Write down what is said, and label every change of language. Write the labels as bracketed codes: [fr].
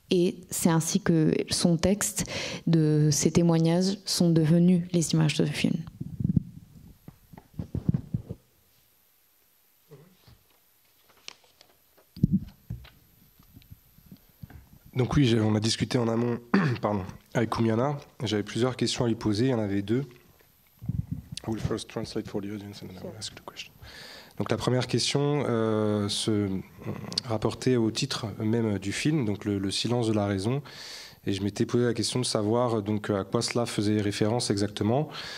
[fr] Et c'est ainsi que son texte, de ses témoignages sont devenus les images de ce film. Donc oui, on a discuté en amont avec Kumjana, j'avais plusieurs questions à lui poser, il y en avait deux. [en] I will first translate for the audience and then sure. I will ask the question. [fr] Donc la première question se rapportait au titre même du film, donc le silence de la raison. Et je m'étais posé la question de savoir donc à quoi cela faisait référence exactement.